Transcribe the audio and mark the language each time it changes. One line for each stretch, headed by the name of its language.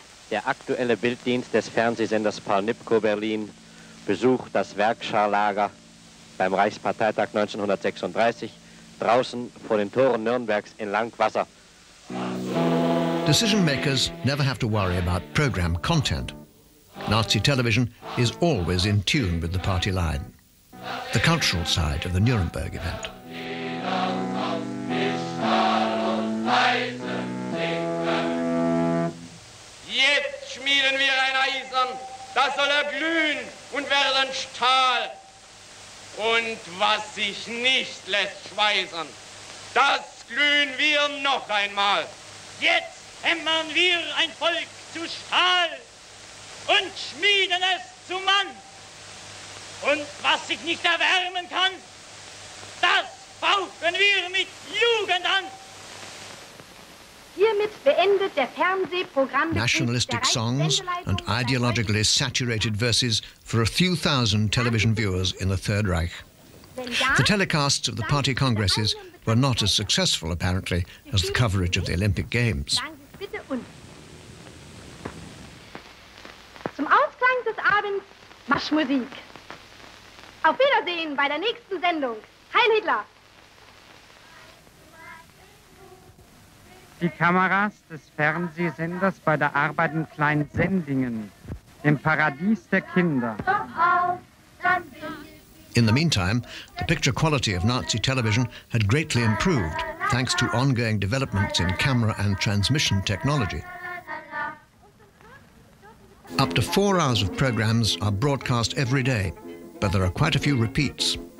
German: Der aktuelle Bilddienst des Fernsehsenders Paul Nipko Berlin besucht das Werkscharlager beim Reichsparteitag 1936 draußen vor den Toren Nürnbergs in Langwasser.
English: Decision makers never have to worry about program content. Nazi television is always in tune with the party line. The cultural side of the Nuremberg event.
German: Jetzt schmieden wir ein Eisen, das soll erglühen und werden Stahl. Und was sich nicht lässt schweißen, das glühen wir noch einmal. Jetzt hämmern wir ein Volk zu Stahl und schmieden es zu Mann. Und was sich nicht erwärmen kann, das fauchen wir mit Jugend an. Hiermit beendet der Fernsehprogramm.
English: Nationalistic songs and ideologically saturated verses for a few thousand television viewers in the Third Reich. The telecasts of the party congresses were not as successful, apparently, as the coverage of the Olympic Games.
German: Zum Ausklang des Abends Marschmusik. Auf Wiedersehen bei der nächsten Sendung. Heil Hitler! Die Kameras des Fernsehsenders bei der Arbeit in Kleinsendingen, dem Paradies der Kinder.
English: In the meantime, the picture quality of Nazi television had greatly improved thanks to ongoing developments in camera and transmission technology. Up to 4 hours of programs are broadcast every day, but there are quite a few repeats.